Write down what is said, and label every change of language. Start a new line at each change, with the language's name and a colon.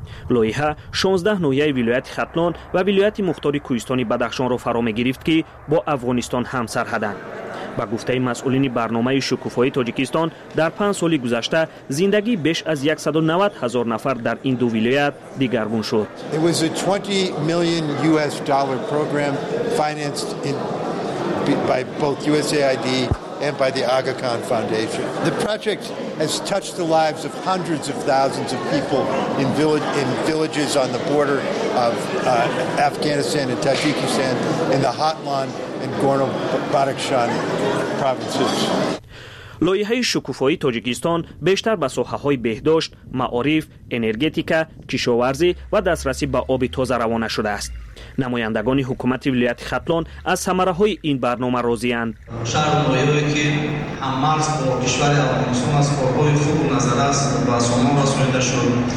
Persian: لایحه 16 نویه ولایت ختلان و ولایت مختار کوهستان بدخشان را فرا می گرفت که با افغانستان هم سرحدند. با گفته مسئولین برنامه شکوفایی تاجیکستان در 5 سال گذشته زندگی بیش از 190 هزار نفر در این دو ولایت دیگرگون شد.
English: It was a 20 million US dollar program financed by both USAID and by the Aga Khan Foundation. The project has touched the lives of hundreds of thousands of people in villages on the border of Afghanistan and Tajikistan in the Hatlan and Gorno-Badakhshan provinces.
Persian: لایحه شکوفایی تاجیکستان بیشتر به ساحه‌های بهداشت، معارف، انرژتیکا، کشاورزی و دسترسی به آب تازه روانه شده است. نمایندگان حکومت ولایت ختلان از ثمره‌های این برنامه راضی‌اند. شهر لایحه‌ای که هم مرز با کشور افغانستان است، پارک‌های خوب و نظر است و سامان رسانیده شد.